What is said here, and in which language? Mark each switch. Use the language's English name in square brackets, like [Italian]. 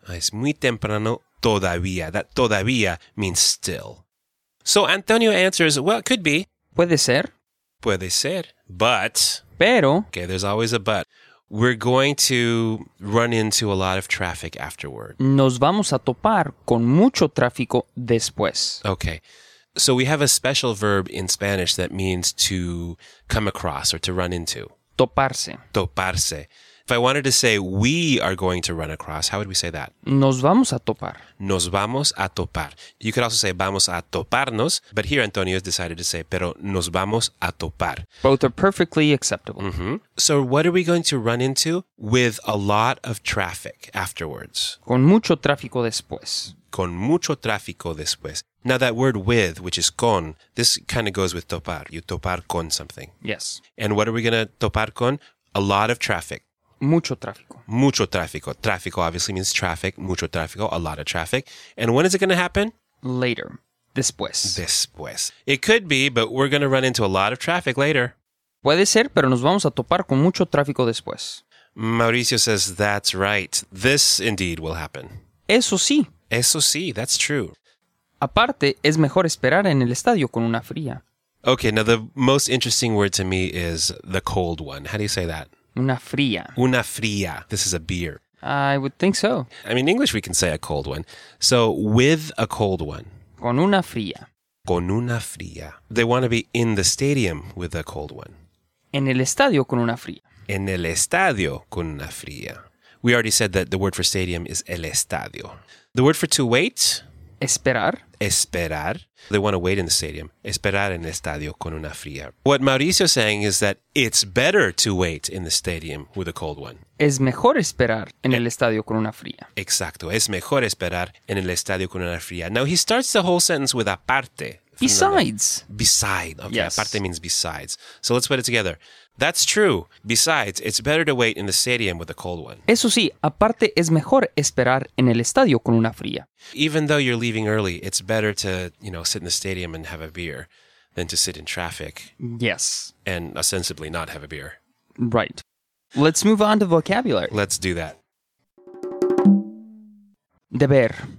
[Spanish] Es muy temprano todavía. [English] That todavía means still. So Antonio answers, well, it could be. [Spanish] Puede ser. Puede ser. But. Pero. [English] Okay, there's always a but. We're going to run into a lot of traffic afterward. [Spanish] Nos vamos a topar con mucho tráfico después. [English] Okay. So we have a special verb in Spanish that means to come across or to run into. [Spanish] Toparse. Toparse. [English] If I wanted to say we are going to run across, how would we say that? [Spanish] Nos vamos a topar. Nos vamos a topar. [English] You could also say [Spanish] vamos a toparnos, [English] but here Antonio has decided to say [Spanish] pero nos vamos a topar. [English] Both are perfectly acceptable. Mm-hmm. So what are we going to run into? With a lot of traffic afterwards. [Spanish] Con mucho tráfico después. Con mucho tráfico después. [English] Now that word with, which is con, this kind of goes with topar. You topar con something. Yes. And what are we going to topar con? A lot of traffic. [Spanish] Mucho tráfico. Mucho tráfico. [English] Tráfico obviously means traffic. Mucho tráfico, a lot of traffic. And when is it going to happen? Later. Después. [Spanish] Después. [English] It could be, but we're going to run into a lot of traffic later. [Spanish] Puede ser, pero nos vamos a topar con mucho tráfico después. [English] Mauricio says, that's right. This indeed will happen. [Spanish] Eso sí. Eso sí, [English] that's true. [Spanish] Aparte, es mejor esperar en el estadio con una fría. [English] Okay, now the most interesting word to me is the cold one. How do you say that? [Spanish] Una fría. Una fría. [English] This is a beer. I would think so. I mean, in English we can say a cold one. So, with a cold one. [Spanish] Con una fría. Con una fría. [English] They want to be in the stadium with a cold one. [Spanish] En el estadio con una fría. En el estadio con una fría. [English] We already said that the word for stadium is el estadio. The word for to wait? [Spanish] Esperar. Esperar. [English] They want to wait in the stadium. [Spanish] Esperar en el estadio con una fría. [English] What Mauricio is saying is that it's better to wait in the stadium with a cold one. [Spanish] Es mejor esperar en el estadio con una fría. Exacto. Es mejor esperar en el estadio con una fría. [English] Now, he starts the whole sentence with aparte. Besides. Beside. Okay. Yes. Aparte means besides. So let's put it together. That's true. Besides, it's better to wait in the stadium with a cold one. [Spanish] Eso sí, aparte es mejor esperar en el estadio con una fría. [English] Even though you're leaving early, it's better to, you know, sit in the stadium and have a beer than to sit in traffic. Yes. And ostensibly not have a beer. Right. Let's move on to vocabulary. Let's do that. [Spanish] Deber.